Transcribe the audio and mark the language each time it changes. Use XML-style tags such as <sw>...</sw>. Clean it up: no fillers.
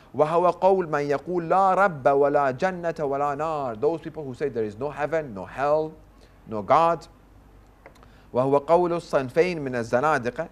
<ar>وهو قول من يقول لا رب ولا جنة ولا نار.</ar> <en>Those people who say there is no heaven, no hell, no God.</en> <ar>وهو قول الصنفين من الزنادقة.</ar>